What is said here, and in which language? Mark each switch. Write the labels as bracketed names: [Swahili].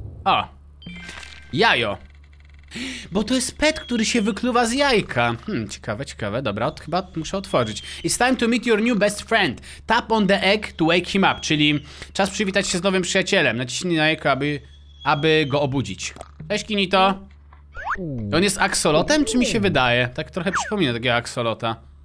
[Polish] O. Jajo. Bo to jest pet, który się wykluwa z jajka. Ciekawe, ciekawe. Dobra, chyba muszę otworzyć. [English] It's time to meet your new best friend. Tap on the egg to wake him up. [Polish] Czyli czas przywitać się z nowym przyjacielem. Naciśnij na jajko, aby go obudzić. Cześć, Kinito. On jest aksolotem, czy mi się wydaje? Tak trochę przypomina takiego aksolota.